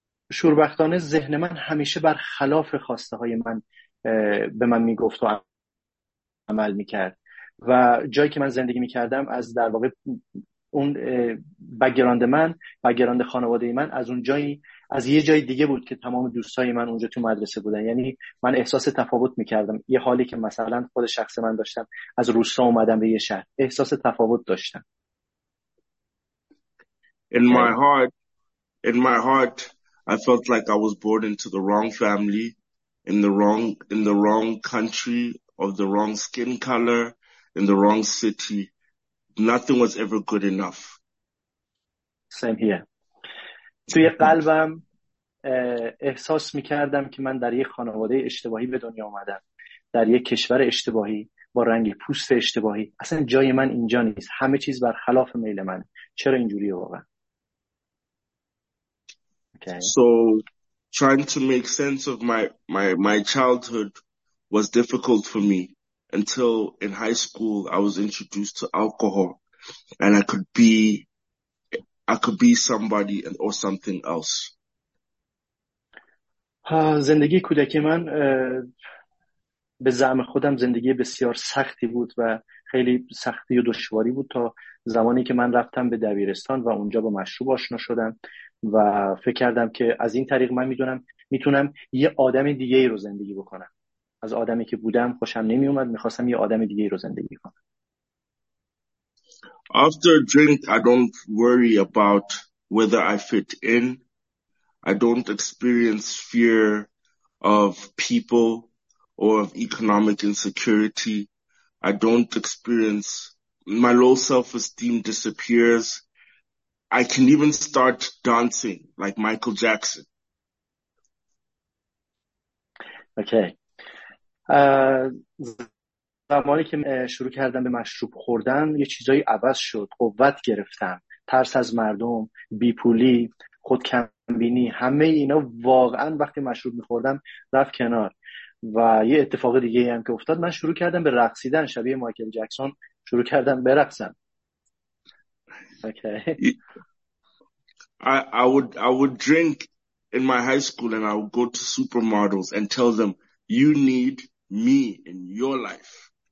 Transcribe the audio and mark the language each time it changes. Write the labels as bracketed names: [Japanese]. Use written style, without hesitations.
[Persian] شوربختانه ذهن من همیشه بر خلاف خواسته های من به من میگفت و عمل میکرد و جایی که من زندگی میکردم از در واقع اون بگراند من، بگراند خانواده من از اون جایی، از یه جای دیگه بود که تمام دوستای من اونجا تو مدرسه بودن. یعنی من احساس تفاوت میکردم، یه حالی که مثلا خود شخص من داشتم از روستا اومدم به یه شهر، احساس تفاوت داشتم. [English] In my heart I felt like I was born into the wrong family, in the wrong country, of the wrong skin color, in the wrong city. Nothing was ever good enough. Same here. [Persian] توی قلبم احساس میکردم که من در یک خانواده اشتباهی به دنیا آمدم، در یک کشور اشتباهی، با رنگ پوست اشتباهی. اصلا جای من اینجا نیست، همه چیز بر خلاف میل من. چرا اینجوریه واقعا؟ [English] Okay. So trying to make sense of my childhood was difficult for me until in high school I was introduced to alcohol and I could be somebody or something else. [Persian] زندگی کودکی من به زعم خودم زندگی بسیار سختی بود و خیلی سختی و دشواری بود تا زمانی که من رفتم به دبیرستان و اونجا با مشروب آشنا شدم و فکر کردم که از این طریق من میتونم یه آدم دیگه رو زندگی بکنم. از آدمی که بودم خوشم نمی اومد، میخواستم یه آدم دیگه رو زندگی کنم. [English] After a drink, I don't worry about whether I fit in. I don't experience fear of people or of economic insecurity. I don't experience, my low self-esteem disappears. I can even start dancing like Michael Jackson. Okay. [Persian] زمانی که شروع کردم به مشروب خوردن یه چیزایی عوض شد. قوت گرفتم، ترس از مردم، بیپولی، خودکمبینی، همه اینا واقعا وقتی مشروب میخوردم رفت کنار. و یه اتفاق دیگه هم که افتاد، من شروع کردم به رقصیدن شبیه مایکل جکسون، شروع کردم به رقصم. [English] Okay. I would drink in my high school and I would go to supermodels and tell them you need me in your life.